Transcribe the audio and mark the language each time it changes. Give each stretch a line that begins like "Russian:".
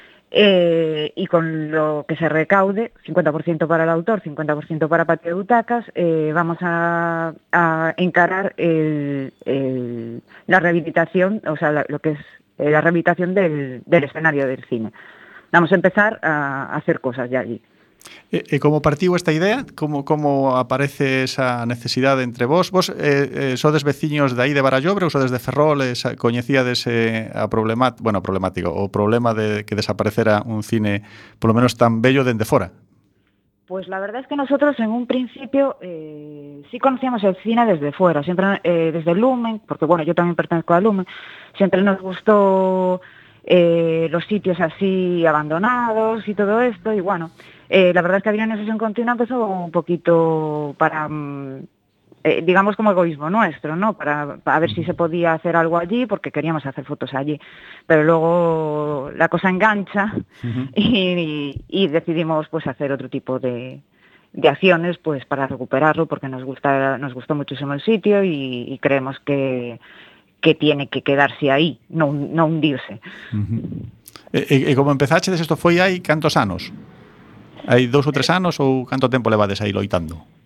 Spanish: y con lo que se recaude, 50% para el autor, 50% para Patio de Butacas, vamos a encarar la rehabilitación, o sea, lo que es la rehabilitación del escenario del cine. Vamos a empezar a hacer cosas ya allí.
Galician: Como partiu esta idea? Como aparece esa necesidade entre vos? Vos sodes veciños de aí de Barallobre, ou sodes de Ferrol, coñecíades o problema de que desaparecera un cine polo menos tan bello dende fora?
Spanish: Pues la verdad es que nosotros en un principio sí conocíamos el cine desde fuera, siempre desde Lumen, porque bueno, yo también pertenezco a Lumen, siempre nos gustó los sitios así abandonados y todo esto, y bueno, la verdad es que había una sesión continua, empezó un poquito para, digamos, como egoísmo nuestro, ¿no? Para ver si se podía hacer algo allí, porque queríamos hacer fotos allí. Pero luego la cosa engancha y decidimos pues hacer otro tipo de acciones pues para recuperarlo, porque nos gustó muchísimo el sitio y creemos que tiene que quedarse ahí, no hundirse. ¿Y cómo empezaste? ¿Esto fue ahí? ¿Cuántos años?
Galician: ¿Hay dos o tres anos ou canto tempo levades aí loitando?